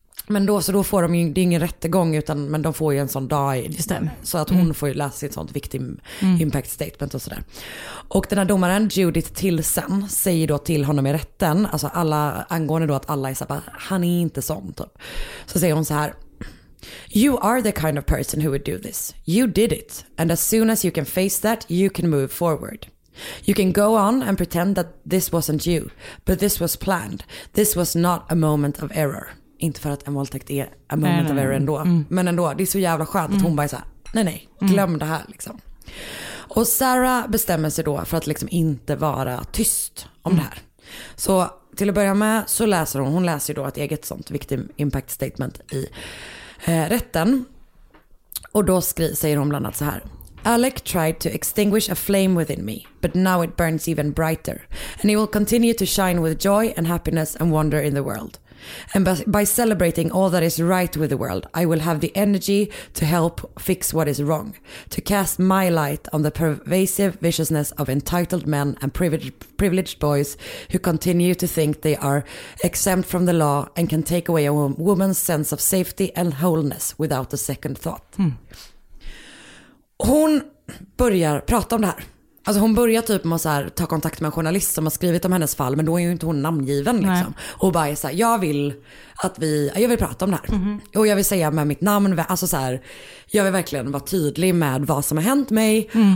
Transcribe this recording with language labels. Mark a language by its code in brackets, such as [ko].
[sv] Men då får de ju, det är ingen rättegång, utan men de får ju en sån dag så att hon får ju läsa sitt sånt victim impact statement och sådär. Och den här domaren, Judith Tilsen, säger då till honom i rätten, alltså alla, angående då att alla är såhär, han är inte sån typ. Så säger hon så här: [en] you are the kind of person who would do this. You did it. And as soon as you can face that, you can move forward. You can go on and pretend that this wasn't you, but this was planned. This was not a moment of error. [sv] Inte för att en våldtäkt är [en] a moment of error [sv] ändå. Mm. Men ändå, det är så jävla skönt att hon bara är så här, nej, glöm det här liksom. Och Sarah bestämmer sig då för att liksom inte vara tyst om det här. Så till att börja med så läser hon läser ju då ett eget sånt victim impact statement i rätten. Och då säger hon bland annat så här: [en] Alec tried to extinguish a flame within me, but now it burns even brighter. And it will continue to shine with joy and happiness and wonder in the world. And by celebrating all that is right with the world, I will have the energy to help fix what is wrong, to cast my light on the pervasive viciousness of entitled men and privileged boys who continue to think they are exempt from the law and can take away a woman's sense of safety and wholeness without a second thought. Mm. [sv] Hon börjar prata om det här. Alltså hon börjar typ med att så här, ta kontakt med en journalist som har skrivit om hennes fall, men då är ju inte hon namngiven liksom. Och bara är så här, jag vill prata om det här. Mm-hmm. Och jag vill säga med mitt namn, alltså så här, jag vill verkligen vara tydlig med vad som har hänt mig.